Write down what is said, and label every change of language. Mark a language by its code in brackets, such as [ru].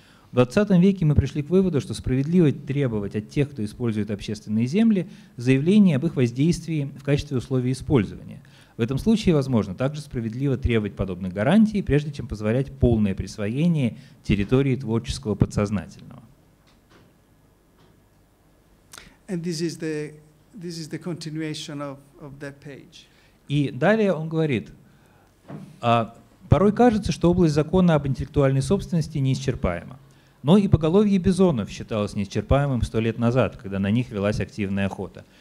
[ru] В 20 веке мы пришли к выводу, что справедливо требовать от тех, кто использует общественные земли, заявление об их воздействии в качестве условия использования. В этом случае, возможно, также справедливо требовать подобных гарантий, прежде чем позволять полное присвоение территории творческого подсознательного». [en] And this is the continuation of that page. [ru] И далее он говорит, порой кажется, что область закона об интеллектуальной собственности неисчерпаема. Но и поголовье бизонов считалось неисчерпаемым 100 лет назад, когда на них велась активная охота.